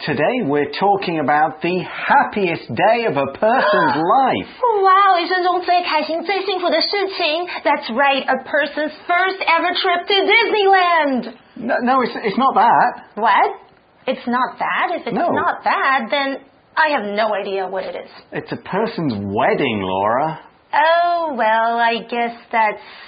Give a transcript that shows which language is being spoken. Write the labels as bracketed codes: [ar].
[en] Today we're talking about the happiest day of a person's life. [zh] Wow, 一生中最开心最幸福的事情。 [en] That's right, a person's first ever trip to Disneyland. No, it's not that. What? It's not that? If it's not that, then I have no idea what it is. It's a person's wedding, Laura. Oh, well, I guess that's...